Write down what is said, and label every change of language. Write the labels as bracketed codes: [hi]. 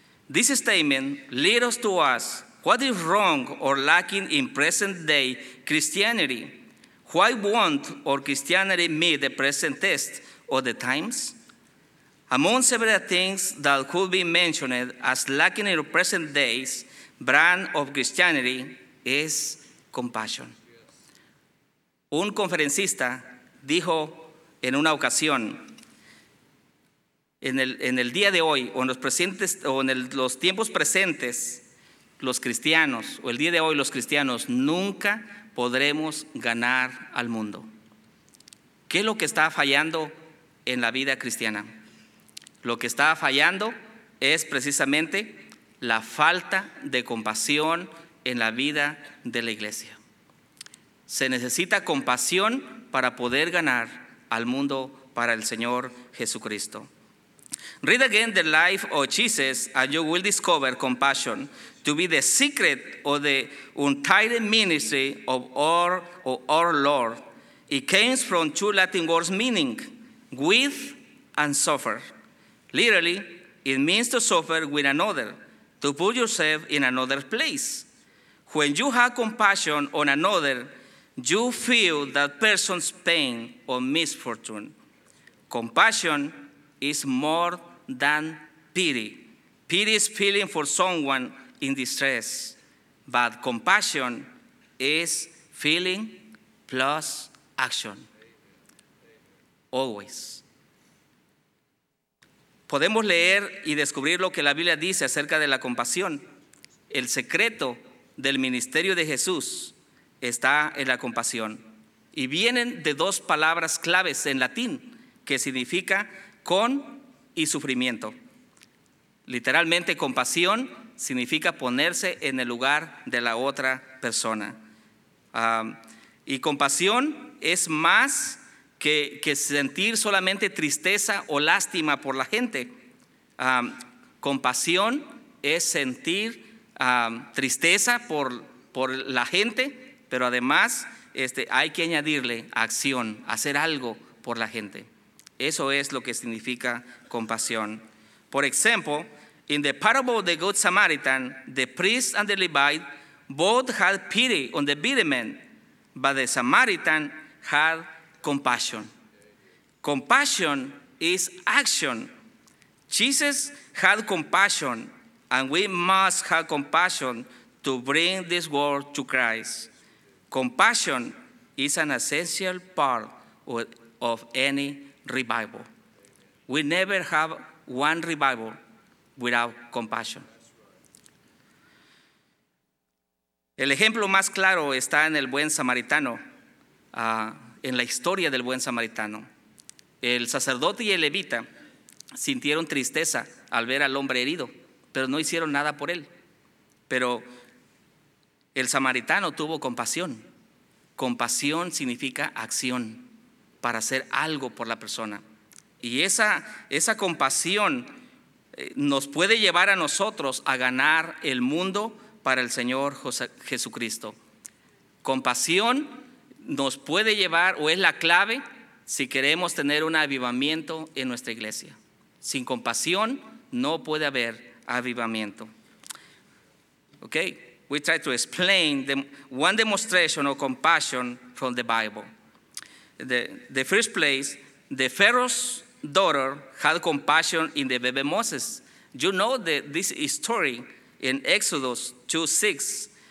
[en] This statement leads us to ask, what is wrong or lacking in present day Christianity? Why won't our Christianity meet the present test of the times? Among several things that could be mentioned as lacking in present day's brand of Christianity is compassion. [es] Un conferencista dijo en una ocasión, en el día de hoy, o en los presentes, o en los tiempos presentes, los cristianos, o el día de hoy, los cristianos, nunca podremos ganar al mundo. ¿Qué es lo que está fallando en la vida cristiana? Lo que está fallando es precisamente la falta de compasión en la vida de la iglesia. Se necesita compasión para poder ganar al mundo para el Señor Jesucristo. [en] Read again the life of Jesus and you will discover compassion to be the secret of the untitled ministry of our Lord. It came from two Latin words meaning with and suffer. Literally, it means to suffer with another, to put yourself in another place. When you have compassion on another, you feel that person's pain or misfortune. Compassion is more than pity. Pity is feeling for someone in distress, but compassion is feeling plus action. Always. [es] Podemos leer y descubrir lo que la Biblia dice acerca de la compasión. El secreto del ministerio de Jesús está en la compasión. Y vienen de dos palabras claves en latín, que significa con y sufrimiento. Literalmente, compasión significa ponerse en el lugar de la otra persona. Y compasión es más que sentir solamente tristeza o lástima por la gente. Compasión es sentir tristeza por la gente, pero además hay que añadirle acción, hacer algo por la gente. Eso es lo que significa compasión. Por ejemplo, [en] in the parable of the Good Samaritan, the priest and the Levite both had pity on the beaten man, but the Samaritan had compassion. Compassion is action. Jesus had compassion, and we must have compassion to bring this world to Christ. Compassion is an essential part of any revival. We never have one revival without compassion. [es] El ejemplo más claro está en el buen samaritano, en la historia del buen samaritano. El sacerdote y el levita sintieron tristeza al ver al hombre herido, pero no hicieron nada por él. Pero el samaritano tuvo compasión. Compasión significa acción para hacer algo por la persona. Y esa compasión nos puede llevar a nosotros a ganar el mundo para el Señor Jesucristo. Compasión nos puede llevar, o es la clave, si queremos tener un avivamiento en nuestra iglesia. Sin compasión no puede haber avivamiento. [en] Okay, we try to explain the one demonstration of compassion from the Bible. The first place, the Pharaoh's daughter had compassion in the baby Moses. You know this story in Exodus 2:6.